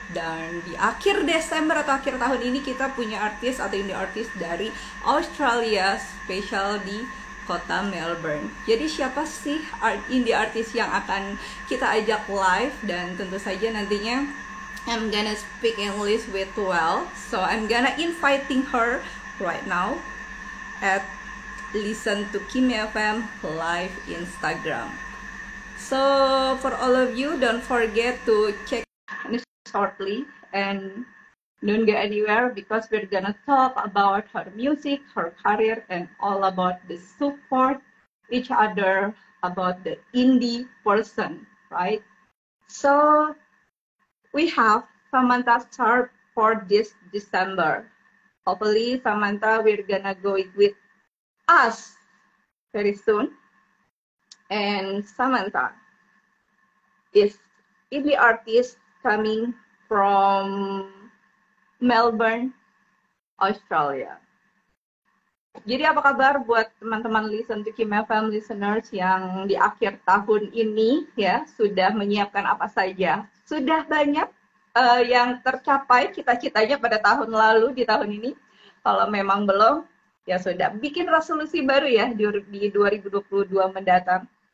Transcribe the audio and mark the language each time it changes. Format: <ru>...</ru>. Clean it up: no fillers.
<id>Dan di akhir Desember atau akhir tahun ini kita punya artis atau indie artist dari Australia special di kota Melbourne. Jadi siapa sih indie artist yang akan kita ajak live? Dan tentu saja nantinya</id> <en>I'm gonna speak English with Well, so I'm gonna inviting her right now at Listen to Kimi FM live Instagram. So for all of you, don't forget to check shortly and don't go anywhere because we're gonna talk about her music, her career, and all about the support each other about the indie person, right? So we have Samantha Sharp for this December. Hopefully, Samantha, we're gonna go with us very soon. And Samantha is indie artist coming from Melbourne, Australia.</en> <id>Jadi apa kabar buat teman-teman Listen to Kimia FM listeners yang di akhir tahun ini ya sudah menyiapkan apa saja? Sudah banyak yang tercapai cita-citanya pada tahun lalu di tahun ini? Kalau memang belum, ya sudah. Bikin resolusi baru ya di 2022 mendatang.</id>